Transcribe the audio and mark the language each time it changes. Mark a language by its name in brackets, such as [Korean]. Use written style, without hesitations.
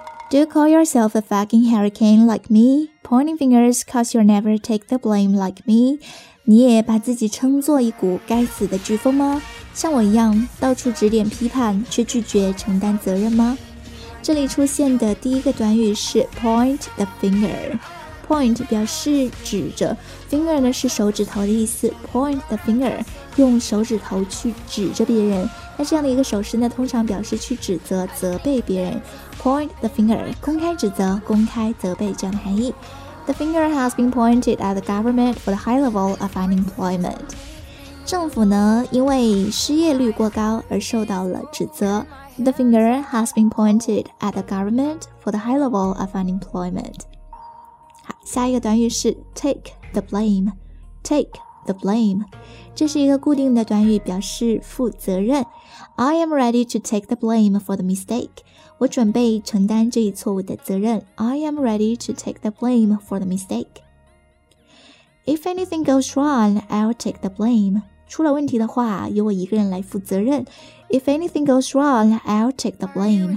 [English] Do you call yourself a fucking hurricane like me? Pointing fingers cause you'll never take the blame like me. [Chinese] 你也把自己称作一股该死的飓风吗？像我一样到处指点批判却拒绝承担责任吗？这里出现的第一个短语是 point the finger. Point 表示指着， finger 呢是手指头的意思， point the finger 用手指头去指着别人。那这样的一个手势呢，通常表示去指责、责备别人。 Point the finger, 公开指责、公开责备这样的含义。 [English] The finger has been pointed at the government for the high level of unemployment. [Chinese] 政府呢，因为失业率过高而受到了指责。 [English] The finger has been pointed at the government for the high level of unemployment. [Chinese] 好，下一个短语是 take the blame. [English] Take the blame. [Chinese] 这是一个固定的短语，表示负责任。 [English] I am ready to take the blame for the mistake. [Chinese] 我准备承担这一错误的责任。 [English] I am ready to take the blame for the mistake. If anything goes wrong, I'll take the blame. [Chinese] 出了问题的话，由我一个人来负责任。 [English] If anything goes wrong, I'll take the blame.